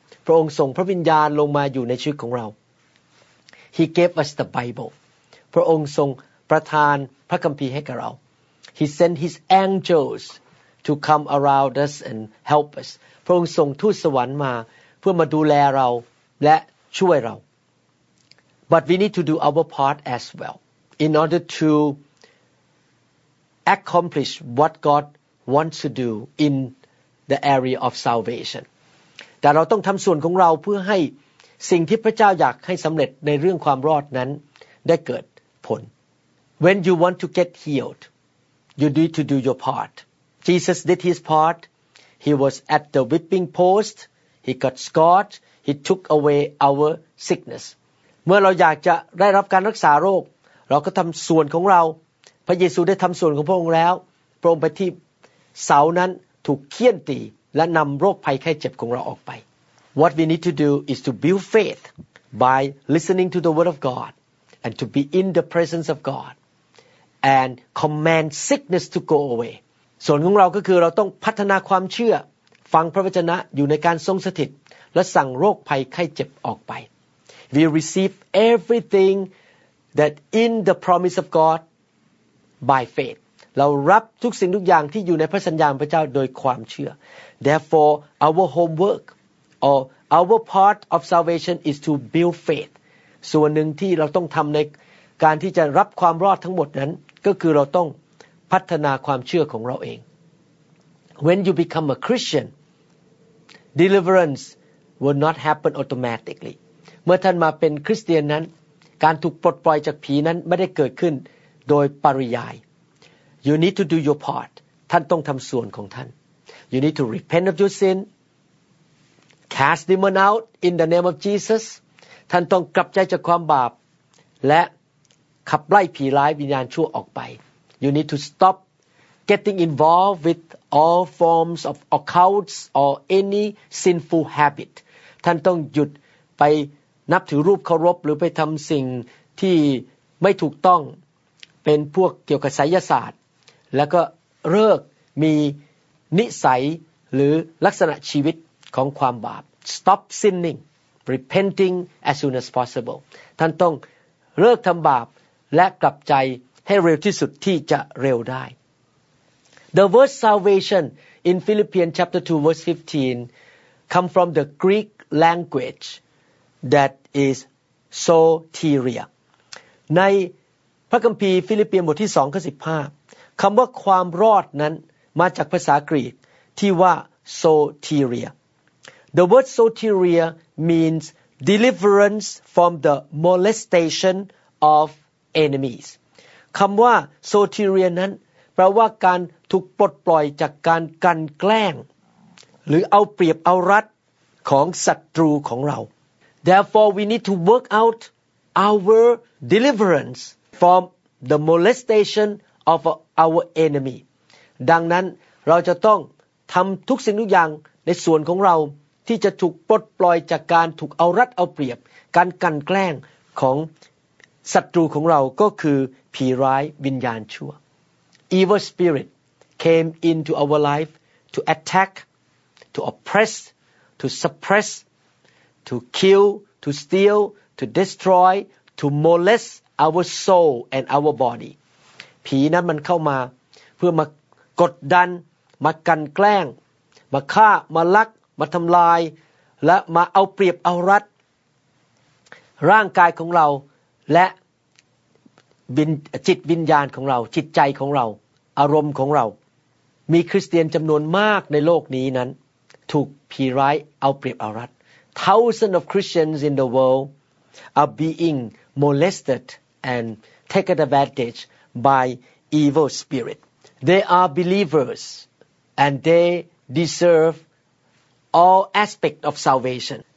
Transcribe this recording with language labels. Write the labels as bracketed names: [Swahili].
[Thai] พระองค์ส่งพระวิญญาณลงมาอยู่ในชีวิตของเรา [English] He gave us the Bible. [Thai] พระองค์ทรงประทานพระคัมภีร์ให้กับเรา [English] He sent his angels to come around us and help us. [Thai] พระองค์ทรงทูตสวรรค์มาเพื่อมาดูแลเราและช่วยเรา [English] But we need to do our part as well in order to accomplish what God wants to do in the area of salvation. [Thai] แต่เราต้องทำส่วนของเราเพื่อให้สิ่งที่พระเจ้าอยากให้สำเร็จในเรื่องความรอดนั้นได้เกิดผล [English] When you want to get healed, you need to do your part. Jesus did his part. He was at the whipping post. He got scorched. He took away our sickness. [Thai] เมื่อเราอยากจะได้รับการรักษาโรคเราก็ทำส่วนของเราพระเยซูได้ทำส่วนของพระองค์แล้วพระองค์ไปที่เสานั้นถูกเฆี่ยนตีและนำโรคภัยไข้เจ็บของเราออกไป [English] What we need to do is to build faith by listening to the word of God and to be in the presence of God and command sickness to go away [Thai] ส่วนของเราก็คือเราต้องพัฒนาความเชื่อฟังพระวจนะอยู่ในการทรงสถิตและสั่งโรคภัยไข้เจ็บออกไป [English] We receive everything that in the promise of God by faith. [Thai] เรารับทุกสิ่งทุกอย่างที่อยู่ในพระสัญญาของพระเจ้าโดยความเชื่อ [English] Therefore, our homework or our part of salvation is to build faith. [Thai] ส่วนหนึ่งที่เราต้องทำในการที่จะรับความรอดทั้งหมดนั้นก็คือเราต้องพัฒนาความเชื่อของเราเอง [English] When you become a Christian, deliverance will not happen automatically. [Thai] เมื่อท่านมาเป็นคริสเตียนนั้นการถูกปลดปล่อยจากผีนั้นไม่ได้เกิดขึ้นโดยปริยาย [English] You need to do your part [Thai] ท่านต้องทำส่วนของท่าน [English] You need to repent of your sin cast demon out in the name of Jesus [Thai] ท่านต้องกลับใจจากความบาปและขับไล่ผีร้ายวิญญาณชั่วออกไป [English] You need to stop getting involved with all forms of occults or any sinful habit [Thai] ท่านต้องหยุดไปนับถือรูปเคารพหรือไปทำสิ่งที่ไม่ถูกต้องเป็นพวกเกี่ยวกับไสยศาสตร์แล้วก็เลิกมีนิสัยหรือลักษณะชีวิตของความบาป [English] Stop sinning, repenting as soon as possible [Thai] ท่านต้องเลิกทำบาปและกลับใจให้เร็วที่สุดที่จะเร็วได้ [English] The word salvation in Philippians chapter 2 verse 15 come from the Greek languageThat is soteria. [Thai] ในพระคัมภีร์ฟิลิปปีบทที่2ข้อ15คำว่าความรอดนั้นมาจากภาษากรีกที่ว่า soteria. [English] The word soteria means deliverance from the molestation of enemies. [Thai] คำว่า soteria นั้นแปลว่าการถูกปลดปล่อยจากการกลั่นแกล้งหรือเอาเปรียบเอารัดของศัตรูของเรา [English] Therefore, we need to work out our deliverance from the molestation of our enemy. [Thai] ดังนั้นเราจะต้องทำทุกสิ่งทุกอย่างในส่วนของเราที่จะถูกปลดปล่อยจากการถูกเอารัดเอาเปรียบการกลั่นแกล้งของศัตรูของเราก็คือผีร้ายวิญญาณชั่ว [English] Evil spirit came into our life to attack, to oppress, to suppress,to kill, to steal, to destroy, to molest our soul and our body. [Thai] ผีนั้นมันเข้ามาเพื่อมากดดันมากันแกล้งมาฆ่ามาลักมาทำลายและมาเอาเปรียบเอารัดร่างกายของเราและจิตวิญญาณของเราจิตใจของเราอารมณ์ของเรามีคริสเตียนจำนวนมากในโลกนี้นั้นถูกผีร้ายเอาเปรียบเอารัด [English] Thousands of Christians in the world are being molested and taken advantage by evil spirit. They are believers and they deserve all aspect of salvation.